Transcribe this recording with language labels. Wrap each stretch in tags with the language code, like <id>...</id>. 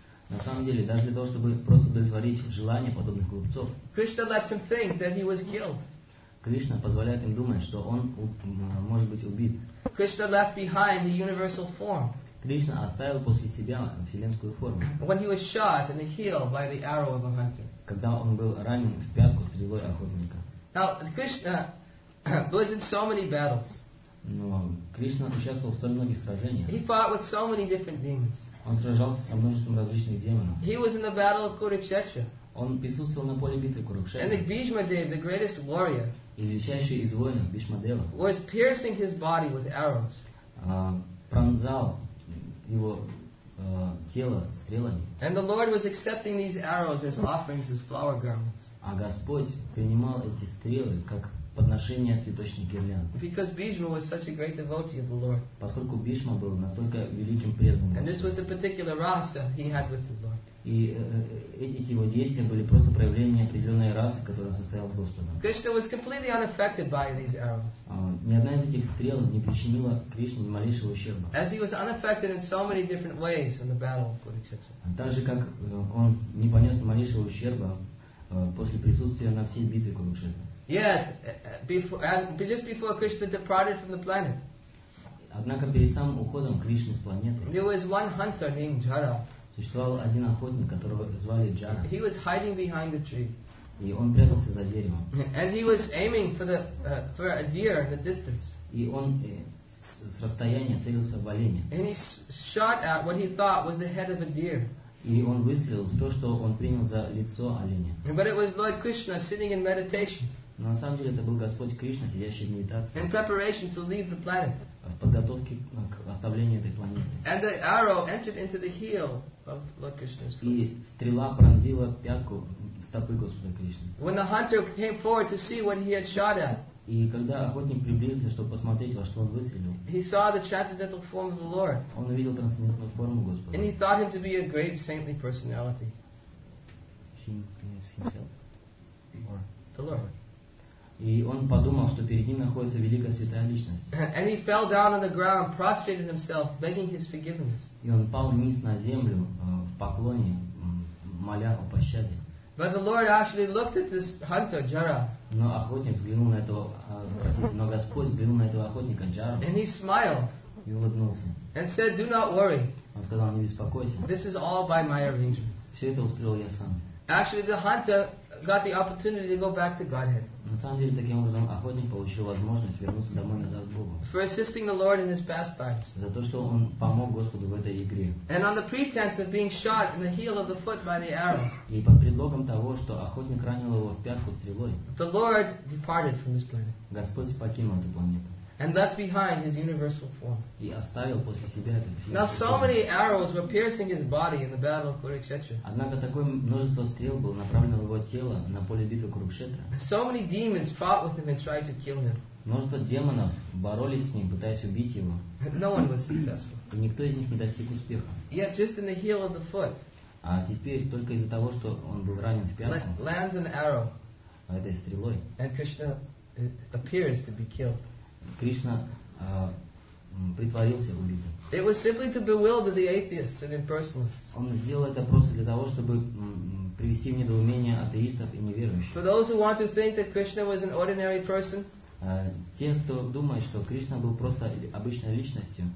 <ru>На самом деле, даже для того, чтобы просто удовлетворить желания подобных глупцов,</ru> <en>Krishna lets him think that he was killed.</en> <ru>Кришна позволяет им думать, что он может быть убит.</ru> <en>Krishna left behind the universal form.</en> <ru>Кришна оставил после себя вселенскую форму.</ru> <en>When he was shot in the heel by the arrow of a hunter.</en> <ru>Когда он был ранен в пятку стрелой охотника.</ru> <en>Now, Krishna was in so many battles.</en> <ru>Но Кришна участвовал в столь многих сражениях.</ru> <en>He fought with so many different demons.</en> <ru>Он сражался со множеством различных демонов.</ru> <en>He was in the battle of Kurukshetra.</en> <ru>Он присутствовал на поле битвы Курукшетра.</ru> <en>And Bhishma Dev, the greatest warrior,</en> <ru>и величайший из воинов Бхишма Дева,</ru> <en>was piercing his body with arrows.</en> <ru>Пронзал его тело стрелами.</ru> <en>And the Lord was accepting these arrows as offerings as flower garlands.</en> <ru>А Господь принимал эти стрелы как подношение цветочных гирлянд.</ru> <en>Because Bhishma was such a great devotee of the Lord.</en> <ru>Поскольку Бхишма был настолько великим преданным.</ru> <en>And this was the particular rasa he had with the Lord.</en> <ru>И эти его действия были просто проявлением определенной расы, которая состояла с Господом.</ru> <en>Krishna was completely unaffected by these arrows.</en> <ru>Ни одна из этих стрел не причинила Кришне ни малейшего ущерба.</ru> <en>As he was unaffected in so many different ways in the battle of Kurukshetra.</en> <ru>Так же как он не понес ни малейшего ущерба после присутствия на всей битве Курукшетры.</ru> <en>Yet, before, just before Krishna departed from the planet.</en> <ru>Однако перед самым уходом Кришны с планеты.</ru> <en>There was one hunter named Jara.</en> <ru>Существовал один охотник, которого звали Джара.</ru> <en>He was hiding behind the tree.</en> <ru>И он прятался за деревом.</ru> <en>And he was aiming for the for a deer at a distance.</en> <ru>И он с расстояния целился в оленя.</ru> <en>And he shot at what he thought was the head of a deer.</en> <ru>И он выстрелил в то, что он принял за лицо оленя.</ru> <en>But it was Lord Krishna sitting in meditation.</en> <ru>Но на самом деле это был Господь Кришна, сидящий в медитации.</ru> <en>In preparation to leave the planet.</en> <ru>В подготовке к оставлению этой планеты.</ru> <en>And the arrow entered into the heel of Lord Krishna's foot.</en> <ru>И стрела пронзила пятку стопы Господа Кришны.</ru> <en>When the hunter came forward to see what he had shot at.</en> <ru>И когда охотник приблизился, чтобы посмотреть, во что он выстрелил.</ru> <en>He saw the transcendental form of the Lord.</en> <ru>Он увидел трансцендентную форму Господа.</ru> <en>And he thought him to be a great saintly personality. Himself. Or the Lord.</en> <ru>И он подумал, что перед ним находится великая святая личность.</ru> <en>And he fell down on the ground, prostrated himself, begging his forgiveness.</en> <ru>И он пал вниз на землю в поклоне, моля о пощаде.</ru> <en>But the Lord actually looked at this hunter, Jara.</en> <ru>Но охотник взглянул на этого, простите, но Господь взглянул на этого охотника Джару.</ru> <en>And he smiled.</en> <ru>И улыбнулся.</ru> <en>And said, "Do not worry."</en> <ru>Он сказал, не беспокойся.</ru> <en>This is all by my arrangement.</en> <ru>Все это устроил я сам.</ru> <en>Actually, the hunter got the opportunity to go back to Godhead.</en> <ru>На самом деле, таким образом, охотник получил возможность вернуться домой назад к Богу.</ru> <en>For assisting the Lord in his pastimes.</en> <ru>За то, что он помог Господу в этой игре.</ru> <en>And on the pretense of being shot in the heel of the foot by the arrow.</en> <ru>И под предлогом того, что охотник ранил его в пятку стрелой.</ru> <en>The Lord departed from this planet.</en> <ru>Господь покинул эту планету.</ru> <en>And left behind his universal form.</en> <ru>И оставил после себя эту фигуру.</ru> <en>Now so many arrows were piercing his body in the battle of Kurukshetra.</en> <ru>Однако такое множество стрел было направлено в его тело на поле битвы Курукшетра.</ru> <en>So many demons fought with him and tried to kill him.</en> <ru>Множество демонов боролись с ним, пытаясь убить его.</ru> <en>No one was successful.</en> <ru>И никто из них не достиг успеха.</ru> <en>Yet just in the heel of the foot.</en> <ru>А теперь только из-за того, что он был ранен в пятку.</ru> <en>Lands an arrow.</en> <ru>Этой стрелой.</ru> <en>And Krishna appears to be killed.</en> <ru>Кришна притворился убитым.</ru> <en>It was simply to bewilder the atheists and impersonalists.</en> <ru>Он сделал это просто для того, чтобы привести в недоумение атеистов и неверующих.</ru> <en>For those who want to think that Krishna was an ordinary person.</en> <ru>Те, кто думает, что Кришна был просто обычной личностью.</ru>